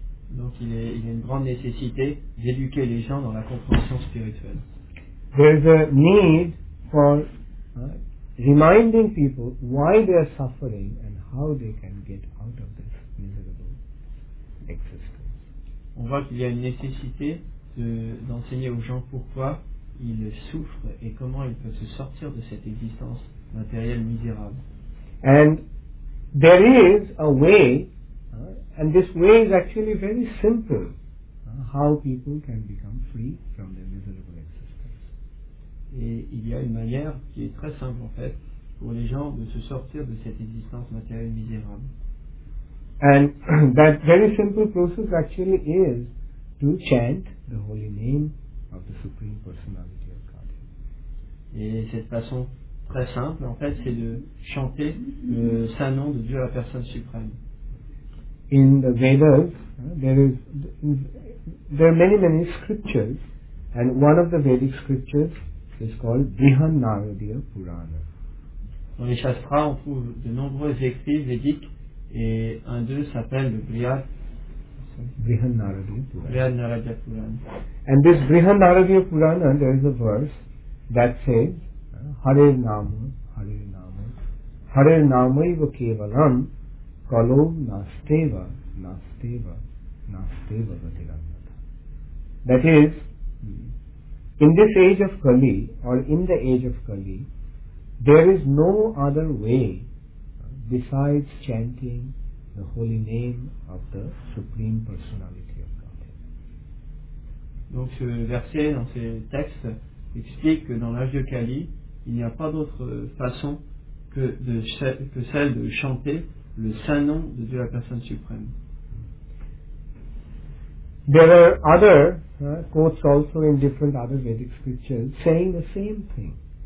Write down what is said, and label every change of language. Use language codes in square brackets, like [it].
[fr] Donc il y a une grande nécessité d'éduquer les gens dans la compréhension spirituelle. [en] There is a need for reminding people why they are suffering and how they can get out of this miserable existence. [fr] On voit qu'il y a une nécessité d'enseigner aux gens pourquoi ils souffrent et comment ils peuvent se sortir de cette existence matérielle misérable. [en] And there is a way, and this way is actually very simple, how people can become free from their miserable existence. [fr] Et il y a une manière qui est très simple en fait pour les gens de se sortir de cette existence matérielle misérable. [en] And that very simple process actually is to chant the holy name of the Supreme Personality of Godhead. [fr] Et cette façon très simple en fait c'est de chanter le saint nom de Dieu à la personne suprême. [en] In the Vedas, there are many scriptures, and one of the Vedic scriptures is called Brihannaradiya Purana. [fr] Dans les Shastras, on trouve de nombreux écrits védiques, et un d'eux s'appelle le Brihannaradiya Purana. [en] And this Brihannaradiya Purana, there is a verse that says, [sa] Hare Nama, Hare Nama, Hare Namaiva Kevalam, Kalo Nasteva, Nasteva, Nasteva Vatiranata. [en] That is, in this age of Kali, or in the age of Kali, there is no other way besides chanting the holy name of the Supreme Personality of Godhead. [fr] Donc ce verset dans ces textes explique que dans l'âge de Kali, il n'y a pas d'autre façon que celle de chanter le saint nom de Dieu la personne suprême. [en] There are other quotes also in different other Vedic scriptures saying the same thing.